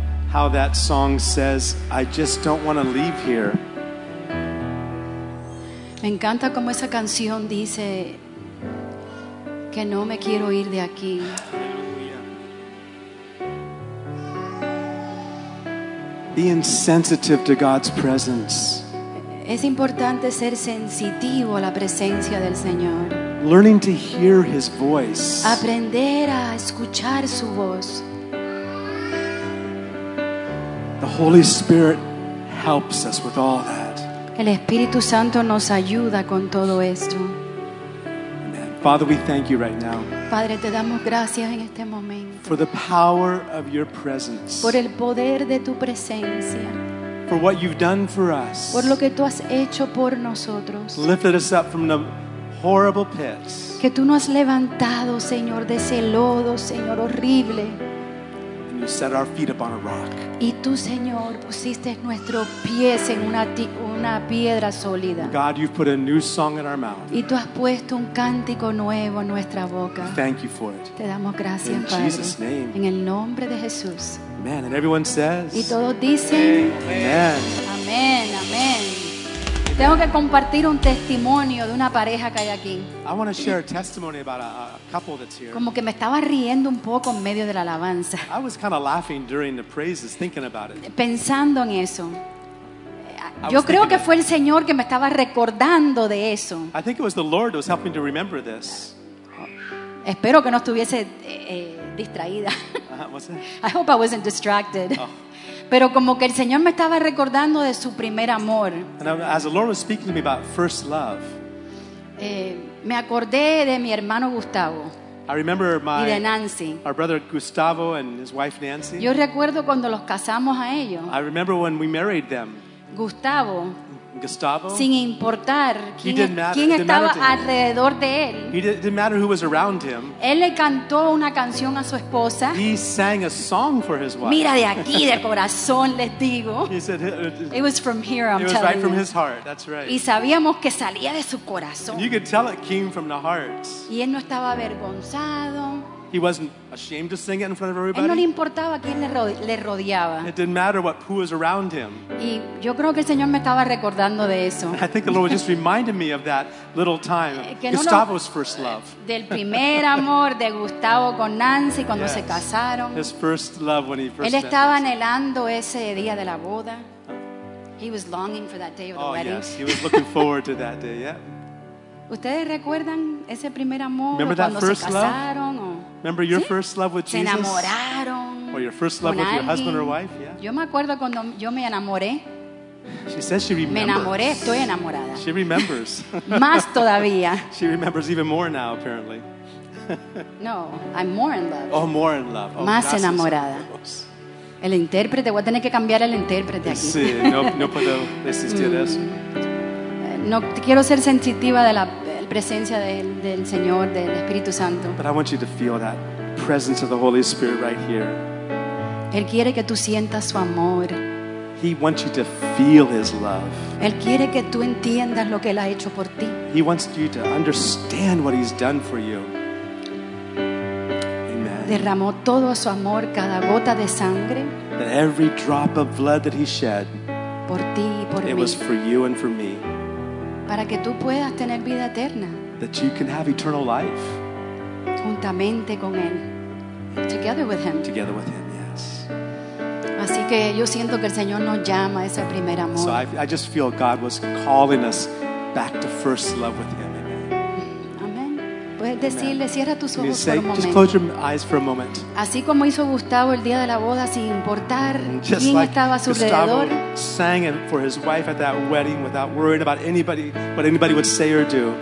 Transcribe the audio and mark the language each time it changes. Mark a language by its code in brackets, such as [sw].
[en] How that song says, I just don't want to leave here. [es] Me encanta como esa canción dice que no me quiero ir de aquí. [en] Be insensitive to God's presence. [es] Es importante ser sensitivo a la presencia del Señor. [en] Learning to hear His voice. [es] Aprender a escuchar su voz. [en] The Holy Spirit helps us with all that. [es] El Espíritu Santo nos ayuda con todo esto. [en] Amen. Father, we thank you right now. [es] Padre, te damos gracias en este momento. [en] For the power of your presence. [es] Por el poder de tu presencia. [en] For what you've done for us. [es] Por lo que tú has hecho por nosotros. [en] Lifted us up from the horrible pits. [es] Que tú nos has levantado, Señor, de ese lodo, Señor, horrible. [en] You set our feet upon a rock. [es] Y tú, Señor, pusiste nuestros pies en una piedra sólida. [en] God, you've put a new song in our mouth. [es] Y tú has puesto un cántico nuevo en nuestra boca. [en] Thank you for it. [es] Te damos gracias, [en] in [es] Padre. [en] In Jesus' name. [es] En el nombre de Jesús. [en] Amen. And everyone says. [es] Y todos dicen. Amen. Amen. Amen. Tengo que compartir un testimonio de una pareja que hay aquí. [en] I want to share a testimony about a couple that's here. [es] Como que me estaba riendo un poco en medio de la alabanza. [en] I was kind of laughing during the praises, thinking about it. [es] Pensando en eso. Yo creo que fue el Señor que me estaba recordando de eso. [en] I think it was the Lord that was helping to remember this. [es] Espero que no estuviese distraída. [en] I hope I wasn't distracted. Oh. [es] Pero como que el Señor me estaba recordando de su primer amor. [en] And as the Lord was speaking to me about first love, [es] me acordé de mi hermano Gustavo. [en] I remember my, [es] y de Nancy. [en] Our brother Gustavo and his wife Nancy. [es] Yo recuerdo cuando los casamos a ellos. [en] I remember when we married them. Gustavo. Gustavo. [es] Sin importar quién estaba alrededor de él. [en] He didn't matter who was around him. [es] Él le cantó una canción a su esposa. [en] He sang a song for his wife. [es] Mira de aquí de corazón les digo. [en] He said it was from here. I'm it was right from his heart. That's right. [es] Y sabíamos que salía de su corazón. [en] You could tell it came from the heart. [es] Y él no estaba avergonzado. [en] He wasn't ashamed to sing it in front of everybody. [es] Él no le importaba quién le rodeaba. [en] It didn't matter what who was around him. [es] Y yo creo que el Señor me estaba recordando de eso. [en] I think the Lord was just reminding me of that little time. [es] Que no [en] Gustavo's first love. [es] Del primer amor de Gustavo con Nancy cuando yes. se casaron. [en] His first love when he first [es] él estaba anhelando ese día de la boda. [en] He was longing for that day of the oh, wedding. Yes. He was looking forward to that day, yeah. [es] ¿Ustedes recuerdan ese primer amor [en] remember [es] cuando [en] that first [es] se casaron? [en] Remember your ¿Sí? first love with Jesus? [es] Se enamoraron. [en] Or your first love with [es] alguien. [en] Your husband or wife? Yeah. [es] Yo me acuerdo cuando yo me enamoré. [en] She says she remembers. [es] Me enamoré, estoy enamorada. [en] She remembers. [es] Más todavía. [en] She remembers even more now, apparently. No, I'm more in love. Oh, more in love. Oh, [es] más enamorada. El intérprete, voy a tener que cambiar el intérprete aquí. Sí, no puedo resistir eso. No quiero ser sensitiva de la presencia del Señor, del Espíritu Santo. [en] But I want you to feel that presence of the Holy Spirit right here. [es] Él quiere que tú sientas su amor. [en] He wants you to feel His love. [es] Él quiere que tú entiendas lo que Él ha hecho por ti. [en] He wants you to understand what He's done for you. Amen. [es] Derramó todo su amor, cada gota de sangre. [en] That every drop of blood that He shed. [es] Por ti y por [en] it [es] mí. [en] It was for you and for me. [es] Para que tú puedas tener vida eterna. [en] That you can have eternal life. [es] Juntamente con Él. [en] Together with Him. Together with Him, yes. [es] Así que yo siento que el Señor nos llama a ese primer amor. [en] So I just feel God was calling us back to first love with Him. Amen. [es] Amen. Puedes Amen. Decirle, cierra tus ojos [en] say, [es] por un momento. [en] Just close your eyes for a moment. [es] Así como hizo Gustavo el día de la boda sin importar [en] just [es] quién [en] like [es] estaba a su [en] Gustavo [es] alrededor. [en] Sang it for his wife at that wedding without worrying about anybody, what anybody would say or do.